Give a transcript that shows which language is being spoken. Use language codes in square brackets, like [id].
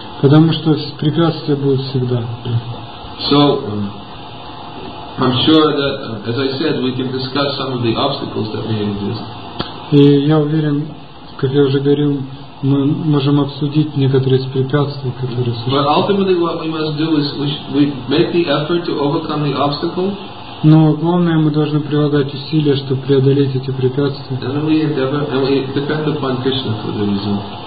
[ru] Потому что препятствия будут всегда. [en] So I'm sure that, as I said, we can discuss some of the obstacles that may exist. [ru] И я уверен, как я уже говорил, мы можем обсудить некоторые из препятствий, которые существуют. [en] But ultimately what we must do is we make the effort to overcome the obstacle. [ru] Но главное, мы должны прилагать усилия, чтобы преодолеть эти препятствия. [en] And we depend upon Krishna for the result.